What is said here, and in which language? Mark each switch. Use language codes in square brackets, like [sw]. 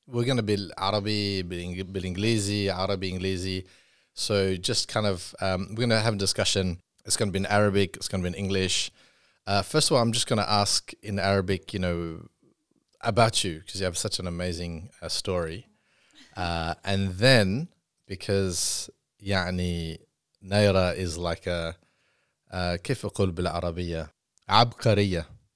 [en] We're gonna be [ar] عربي بالإنجليزي عربي إنجليزي. [en] So just kind of we're gonna have a discussion. It's going to be in Arabic, it's going to be in English. First of all, I'm just going to ask in Arabic, you know, about you, because you have such an amazing story. And then, because يعني نيرة is like a, [ar] كيف أقول بالعربية؟ عبقرية.